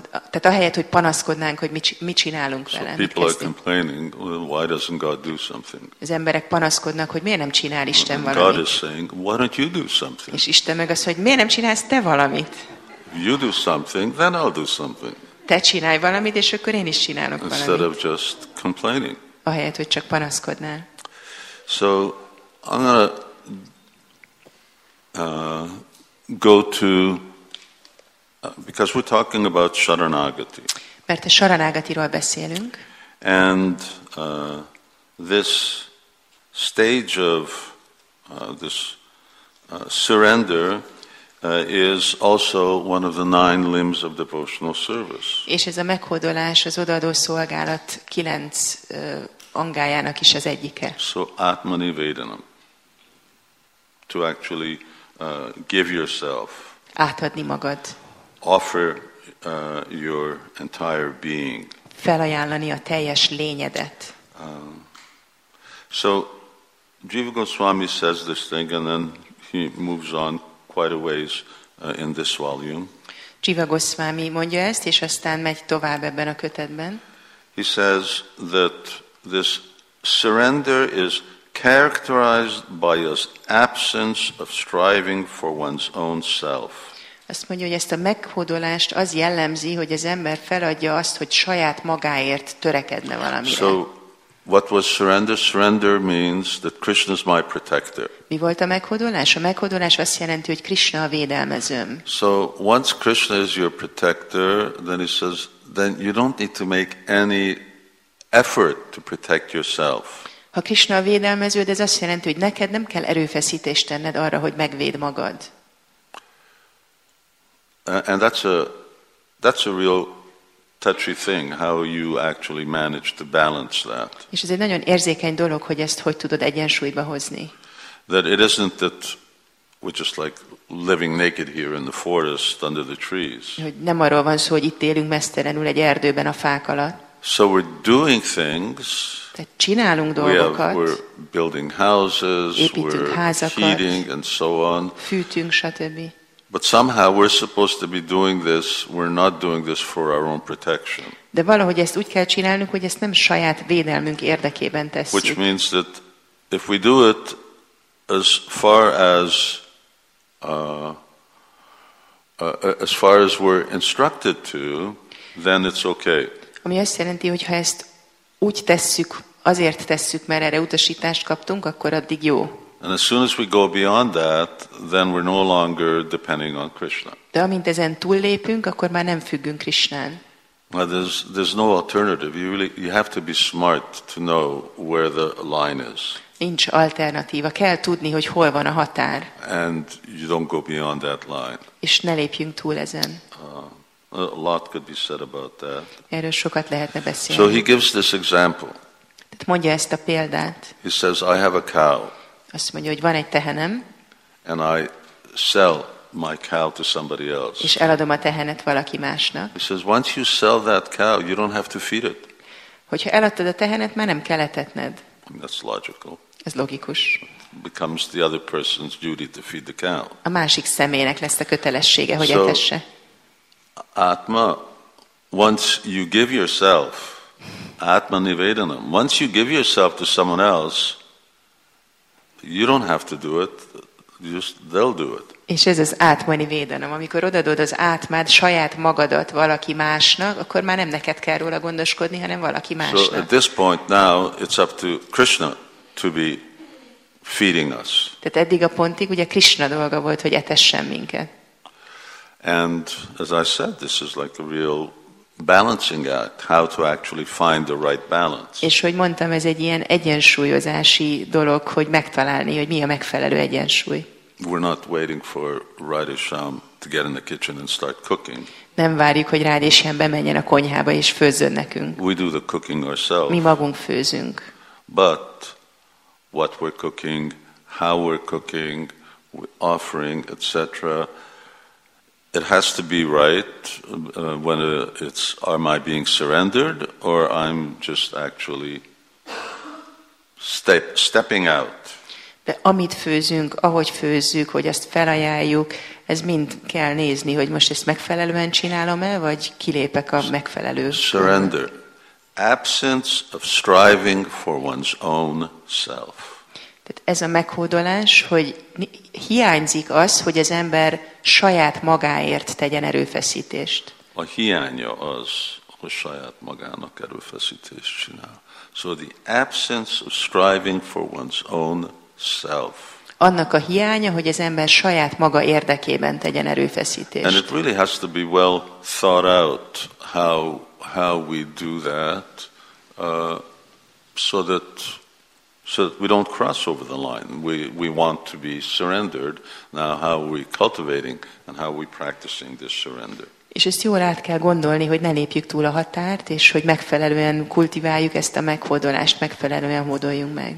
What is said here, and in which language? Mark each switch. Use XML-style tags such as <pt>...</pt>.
<hu>Tehát ahelyett, hogy panaszkodnánk, hogy mit csinálunk vele.</hu> <en>So people are complaining, well, why doesn't God do something?</en> <hu>Az emberek panaszkodnak, hogy miért nem csinál Isten</hu> <en>and</en> <hu>valamit.</hu> <en>God is saying, why don't you do something?</en> <hu>És Isten meg azt, hogy miért nem csinálsz te valamit?</hu> <en>You do something, then I'll do something.</en> <hu>Te csinálj valamit, és akkor én is csinálok</hu> <en>instead</en> <hu>valamit.</hu> <en>Instead of just complaining.</en> <hu>Ahelyett, hogy csak panaszkodnál.</hu> <en>So I'm gonna go to because we're talking about Sharanagati.</en> <hu>Mert a Sharanagatiról beszélünk.</hu> <en>And this stage of this surrender is also one of the nine limbs of devotional service.</en> <hu>És ez a meghódolás, az odaadó szolgálat 9 angájának is az egyike.</hu> <en>So Atmani Vedanam. To actually give yourself,</en> <hu>átadni magad,</hu> <en>offer your entire being,</en> <hu>felajánlani a teljes lényedet.</hu> <en>So Jiva Goswami says this thing and then he moves on quite a ways in this volume.</en> <hu>Jiva Goswami mondja ezt, és aztán megy tovább ebben a kötetben.</hu> <en>He says that this surrender is characterized by his absence of striving for one's own self.</en> <hu>Azt mondja, hogy ezt a meghódolást az jellemzi, hogy az ember feladja azt, hogy saját magáért törekedne valamire.</hu> <en>So, what was surrender? Surrender means that Krishna is my protector.</en> <hu>Mi volt a meghódolás? A meghódolás azt jelenti, hogy Krishna a védelmezőm.</hu> <en>So, once Krishna is your protector, then he says, then you don't need to make any effort to protect yourself.</en> <hu>Ha Krishna a védelmeződ, ez azt jelenti, hogy neked nem kell erőfeszítést tenned arra, hogy megvéd magad.</hu> <en>And that's a real touchy thing, how you actually manage to balance that.</en> <hu>És ez egy nagyon érzékeny dolog, hogy ezt hogy tudod egyensúlyba hozni.</hu> <en>That it isn't that we're just like living naked here in the forest under the trees.</en> <hu>Hogy nem arról van szó, hogy itt élünk mesztelenül egy erdőben a fák alatt.</hu> <en>So we're doing things.</en> <hu>Tehát csinálunk dolgokat.</hu> <en>We're building houses,</en> <hu>építünk házakat,</hu> <en>heating and so on.</en> <hu>Fűtünk, stb.</hu> <en>But somehow we're supposed to be doing this. We're not doing this for our own protection.</en> <hu>De valahogy ezt úgy kell csinálnunk, hogy ezt nem saját védelmünk érdekében tesszük.</hu> <en>Which means that if we do it as far as we're instructed to, then it's okay.</en> <hu>Ami azt jelenti, hogy ha ezt úgy tesszük, azért tesszük, mert erre utasítást kaptunk, akkor addig jó.</hu> <en>And as soon as we go beyond that, then we're no longer depending on Krishna.</en> <hu>De amint ezen túllépünk, akkor már nem függünk Krishnán.</hu> <en>Well, there's no alternative. You really you have to be smart to know where the line is.</en> <hu>Nincs alternatíva. Kell tudni, hogy hol van a határ.</hu> <en>And you don't go beyond that line.</en> <hu>És ne lépjünk túl ezen.</hu> <en>A lot could be said about that.</en> <hu>Erről sokat lehetne beszélni.</hu> <en>So he gives this example.</en> <hu>Tehát mondja ezt a példát.</hu> <en>He says, I have a cow.</en> <hu>Azt mondja, hogy van egy tehenem.</hu> <en>And I sell my cow to somebody else.</en> <hu>És eladom a tehenet valaki másnak.</hu> <en>He says, once you sell that cow, you don't have to feed it.</en> <hu>Hogyha eladtad a tehenet, már nem kell etetned.</hu> <en>That's logical.</en> <hu>Ez logikus.</hu> <en>Becomes the other person's duty to feed the cow.</en> <hu>A másik személynek lesz a kötelessége, hogy etesse.</hu> <en>Atma, once you give yourself, Atma Nivedanam, once you give yourself to someone else, you don't have to do it, just they'll do it.</en> <hu>És ez az Atma Nivedanam, amikor odadod az átmád, saját magadat valaki másnak, akkor már nem neked kell róla gondoskodni, hanem valaki másnak.</hu> <en>So at this point now, it's up to Krishna to be feeding us.</en> <hu>Tehát eddig a pontig ugye Krishna dolga volt, hogy etessen minket.</hu> <en>And as I said, this is like a real balancing act, how to actually find the right balance.</en> <hu>És hogy mondtam, ez egy ilyen egyensúlyozási dolog, hogy megtalálni, hogy mi a megfelelő egyensúly.</hu> <en>We're not waiting for Radhe Shyam to get in the kitchen and start cooking.</en> <hu>Nem várjuk, hogy Radhe Shyam bemenjen a konyhába és főzzön nekünk.</hu> <en>We do the cooking ourselves.</en> <hu>Mi magunk főzünk.</hu> <en>But what we're cooking, how we're cooking, offering, etc., it has to be right when it's am I being surrendered or I'm just actually stepping out.</en> <hu>De amit főzünk, ahogy főzzük, hogy ezt felajánljuk, ez mind kell nézni, hogy most ezt megfelelően csinálom-e, vagy kilépek a megfelelő.</hu> <en>Surrender. Absence of striving for one's own self.</en> <hu>Tehát ez a meghódolás, hogy hiányzik az, hogy az ember saját magáért tegyen erőfeszítést. A hiánya az, hogy saját magának erőfeszítést csinál.</hu> <en>So the absence of striving for one's own self.</en> <hu>Annak a hiánya, hogy az ember saját maga érdekében tegyen erőfeszítést.</hu> <en>And it really has to be well thought out how we do that so that we don't cross over the line. We want to be surrendered. Now how are we cultivating and how are we practicing this surrender?</en> <hu>És ezt jól át kell gondolni, hogy ne lépjük túl a határt, és hogy megfelelően kultiváljuk ezt a meghódolást, megfelelően hódoljunk meg.</hu>